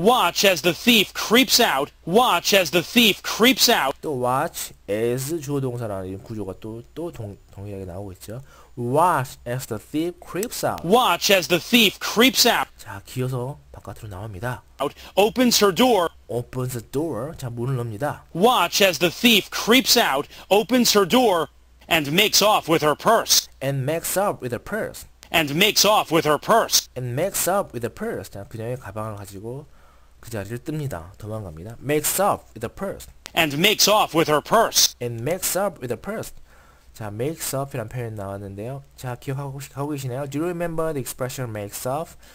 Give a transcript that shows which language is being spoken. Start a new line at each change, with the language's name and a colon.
English: Watch as the thief creeps out. Watch as the thief creeps out.
Korean: 또 watch as 주어동사라는 구조가 동일하게 나오고 있죠.
English: Watch as the thief creeps out. Watch as the thief creeps out.
Korean: 자, 기어서 바깥으로 나옵니다.
English: Out opens her door. Opens the door.
Korean: 자, 문을 엽니다.
English: Watch as the thief creeps out, opens her door, and makes off with her purse. And makes off with her purse. And makes off with her purse. And makes off with her purse.
Korean: 자, 그녀의 가방을 가지고 그 자리를 뜹니다. 도망갑니다.
English: Makes off with her purse. And makes off with her purse. And makes up with her purse.
Korean: 자, makes up이란 표현이 나왔는데요. 자, 기억하고 계시나요?
English: Do you remember the expression makes up?